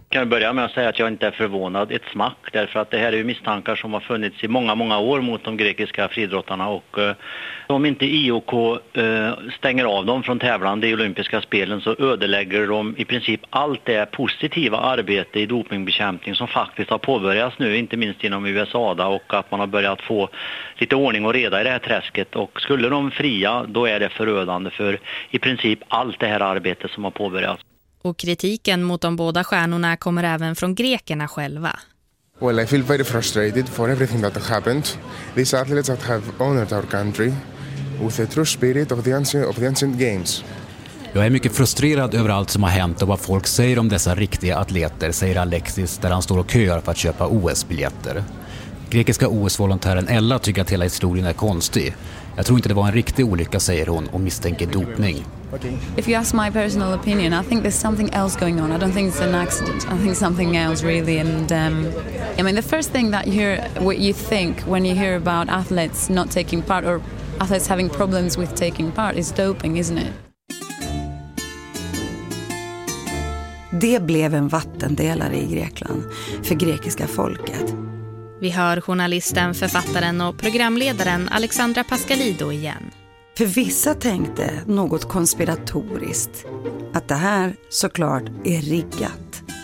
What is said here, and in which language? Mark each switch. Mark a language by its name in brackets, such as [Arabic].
[Swedish] Kan jag börja med att säga att jag inte är förvånad ett smack, därför att det här är ju misstankar som har funnits i många, många år mot de grekiska friidrottarna, och om inte IOK stänger av dem från tävlande i olympiska spelen så ödelägger de i princip allt det positiva arbete i dopingbekämpning som faktiskt har påbörjats nu, inte minst inom USA, och att man har börjat få lite ordning och reda i det här träsket. Och skulle de fria, då är det förödande för i princip allt det här arbete som har påbörjats. Och kritiken mot de båda stjärnorna kommer även från grekerna själva. [English] Well, I feel very frustrated for everything that happened. These athletes that have honored our country with the true spirit of the ancient games. [Swedish] Jag är mycket frustrerad över allt som har hänt och vad folk säger om dessa riktiga atleter, säger Alexis där han står och köar för att köpa OS-biljetter. Grekiska OS-volontären Ella tycker att hela historien är konstig. Jag tror inte det var en riktig olycka, säger hon, och misstänker dopning. [English] If you ask my personal opinion, I think there's something else going on. I don't think it's an accident. I think something else really. And I mean, the first thing that you hear, what you think when you hear about athletes not taking part or athletes having problems with taking part is doping, isn't it? [Swedish] Det blev en vattendelare i Grekland för grekiska folket. Vi hör journalisten, författaren och programledaren Alexandra Pascalido igen. För vissa tänkte något konspiratoriskt att det här såklart är riggat.